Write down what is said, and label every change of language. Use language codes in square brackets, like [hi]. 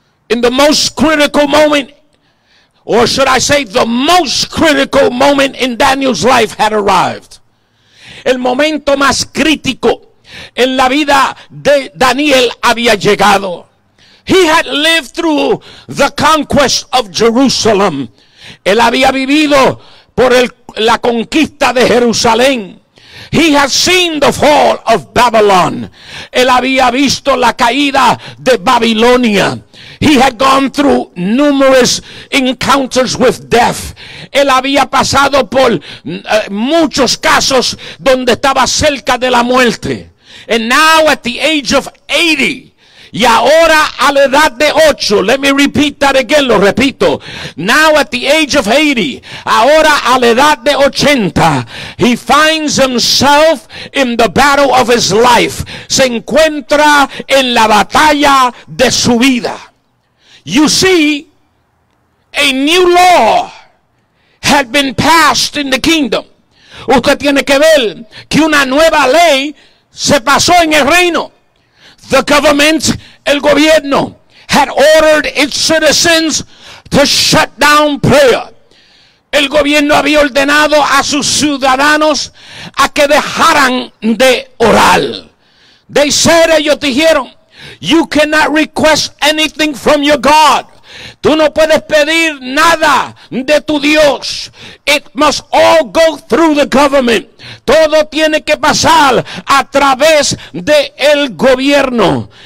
[en] In the most critical moment, or should I say, the most critical moment in Daniel's life had arrived. [es] El momento más crítico en la vida de Daniel había llegado. [en] He had lived through the conquest of Jerusalem. [es] Él había vivido por la conquista de Jerusalén. [en] He had seen the fall of Babylon. [es] Él había visto la caída de Babilonia. [en] He had gone through numerous encounters with death. [es] Él había pasado por muchos casos donde estaba cerca de la muerte. [en] And now at the age of 80, [es] y ahora a la edad de 8, [en] let me repeat that again, [es] lo repito. [en] Now at the age of 80, [es] ahora a la edad de 80, [en] he finds himself in the battle of his life. [es] Se encuentra en la batalla de su vida. [en] You see, a new law had been passed in the kingdom. [es] Usted tiene que ver que una nueva ley se pasó en el reino. [en] The government, [es] el gobierno, [en] had ordered its citizens to shut down prayer. [es] El gobierno había ordenado a sus ciudadanos a que dejaran de orar. [en] They said, [es] ellos dijeron, [en] you cannot request anything from your God. [es] Tú no puedes pedir nada de tu Dios. [en] It must all go through the government. [es] Todo tiene que pasar a través del gobierno.